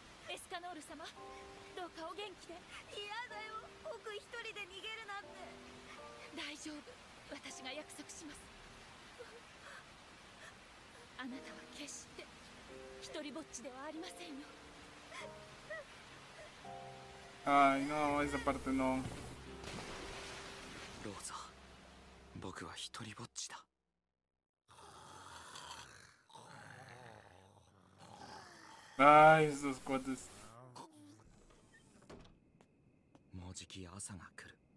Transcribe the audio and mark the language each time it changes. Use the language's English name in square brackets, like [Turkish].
[Japanese] エスカノール様、どうかお元気で。嫌だよ、僕一人で逃げるなんて。大丈夫、私が約束します。あなたは決して一人ぼっちではありませんよ。 [Spanish] あー、no, esa parte no. [Japanese] ローザ、僕は一人ぼっちだ。 [Spanish] Ay, esos cuates. [Japanese] もうじき朝が来る。